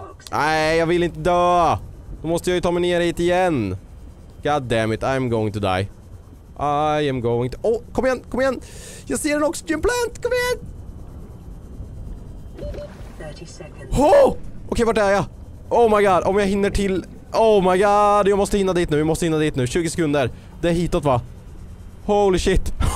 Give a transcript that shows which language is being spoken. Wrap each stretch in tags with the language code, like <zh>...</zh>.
<sv>Nej, jag vill inte dö. Då måste jag ju ta mig ner hit igen.</sv> <en>God damn it, I'm going to die. I am going to...</en> <sv>Kom igen. Jag ser en oxygen plant, kom igen. 30 seconds. Okej, vart är jag? Oh my god, om jag hinner till... Oh my god, jag måste hinna dit nu, 20 sekunder. Det är hitåt va?</sv> <en>Holy shit.</en>